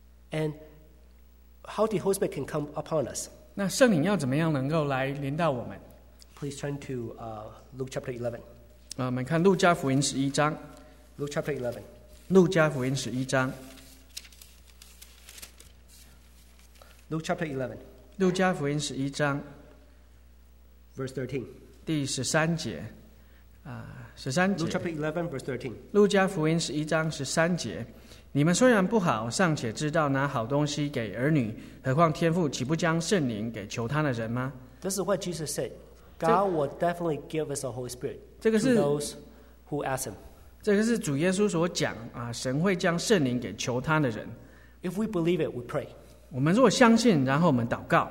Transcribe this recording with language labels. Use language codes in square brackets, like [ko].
[en] And how did Holy Spirit can come upon us? [zh] 那圣灵要怎么样能够来临到我们？ [en] Please turn to Luke chapter 11. [zh] 我们看路加福音11章。 [en] Luke chapter 11. [zh] 路加福音11章。 [en] Luke chapter 11. [zh] 路加福音11章 [en] verse [zh] 13 第13节 [en] Luke chapter 11 verse 13 [zh] 路加福音11章13节 你们虽然不好尚且知道拿好东西给儿女何况天父岂不将圣灵给求他的人吗？ [en] This is what Jesus said. God will definitely give us the Holy Spirit to those who ask him. [zh] 这个是主耶稣所讲神会将圣灵给求他的人。 [en] If we believe it, we pray. [zh] 我们如果相信，然后我们祷告。